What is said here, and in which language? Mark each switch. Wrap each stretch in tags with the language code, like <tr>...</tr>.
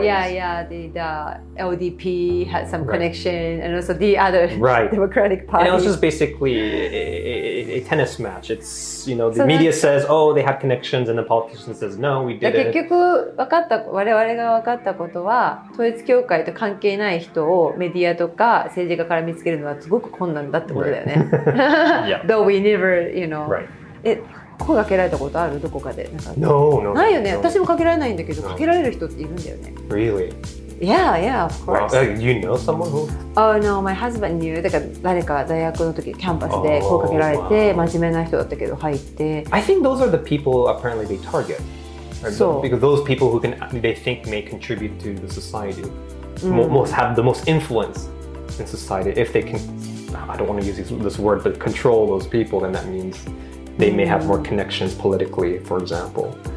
<en>yeah, the LDP had some connection, and also the other Democratic Party. And it was just basically a tennis match. It's, you know, the media says, oh, they had connections, and the politician says, no, we didn't.</en> <ja>結局、我々が分かったことは、 統一教会と関係ない人をメディアとか、 政治家から見つけるのはすごく困難だってことだよね。</ja> <en>Right. Though we never, you know. Right.</en> <ja>声かけられたことある?どこかで?</ja> <en>No, no.</en> <ja>ないよね?</ja> <en>No.</en> <ja>私もかけられないんだけど、 かけられる人っているんだよね。</ja> <en>Really? Yeah, of course. Well, you know someone who? Oh, no, my husband knew.</en> <ja>だから誰か大学の時、キャンパスで声かけられて、 真面目な人だったけど入って。</ja> <en>I think those are the people apparently they target. So. Because those people who can, they think may contribute to the society. Most have the most influence in society. If they can, I don't want to use this word, but control those people, then that means they may have more connections politically, for example.</en>